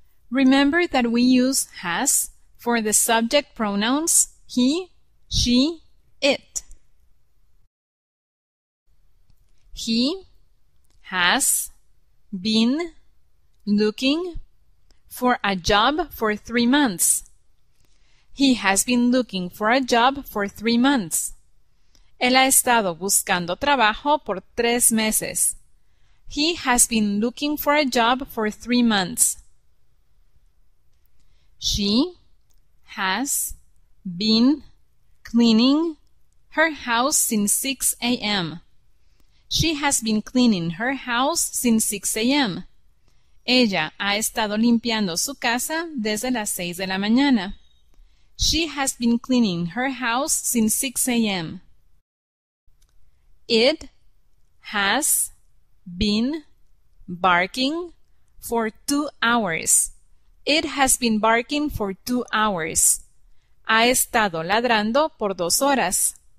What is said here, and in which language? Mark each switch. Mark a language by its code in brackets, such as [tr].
[en] Remember that we use has for the subject pronouns he, she, it. He has been looking for a job for 3 months. He has been looking for a job for 3 months. [es] Él ha estado buscando trabajo por 3 meses. [en] He has been looking for a job for 3 months. She has been cleaning her house since 6 a.m. She has been cleaning her house since 6 a.m. [es] Ella ha estado limpiando su casa desde las 6 de la mañana. [en] She has been cleaning her house since 6 a.m. It has been barking for 2 hours. It has been barking for 2 hours. [es] Ha estado ladrando por 2 horas.